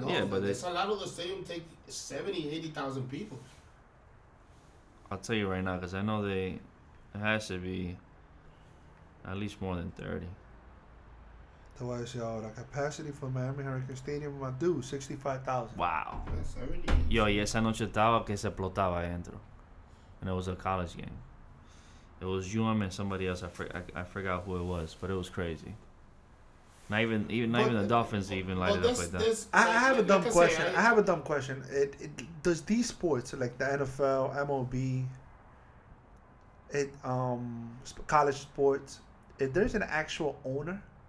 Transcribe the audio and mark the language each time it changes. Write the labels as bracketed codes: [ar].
[en] no, yeah, but there's a lot of the stadiums take 70,000-80,000 people. I'll tell you right now, because I know they, it has to be at least more than 30. The way I say, oh, the capacity for Miami Hurricane Stadium, my dude, 65,000. Wow. [es] Yo, y esa noche estaba que se explotaba adentro. [en] And it was a college game. It was UM and somebody else. I forgot who it was, but it was crazy. Not even the Dolphins even lighted up like that. I have a dumb question. Does these sports, like the NFL, MLB, college sports, if there's an actual owner...